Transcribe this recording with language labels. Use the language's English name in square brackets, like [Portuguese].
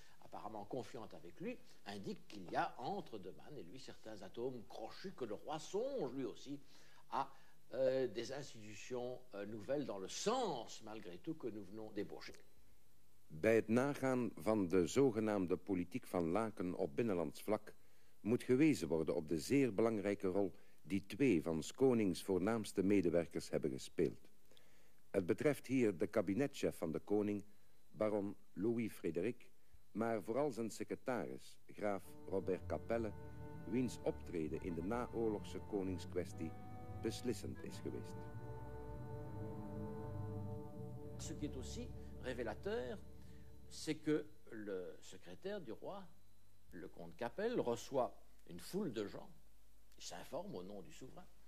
[French] apparemment confiante avec lui, indique qu'il y a entre de Man et lui certains atomes crochus que le roi songe lui aussi à des institutions nouvelles dans le sens malgré tout que nous venons d'ébaucher. [Dutch] Bij het nagaan van de zogenaamde politiek van Laken op binnenlands vlak moet gewezen worden op de zeer belangrijke rol die twee van 's konings voornaamste medewerkers hebben gespeeld. Het betreft hier de kabinetchef van de koning, baron Louis Frédéric, maar vooral zijn secretaris, graaf Robert Capelle, wiens optreden in de naoorlogse koningskwestie beslissend is geweest. [French] Ce qui est aussi révélateur, c'est que le secrétaire du roi, le comte Capelle, reçoit une foule de gens. Il s'informe au nom du souverain.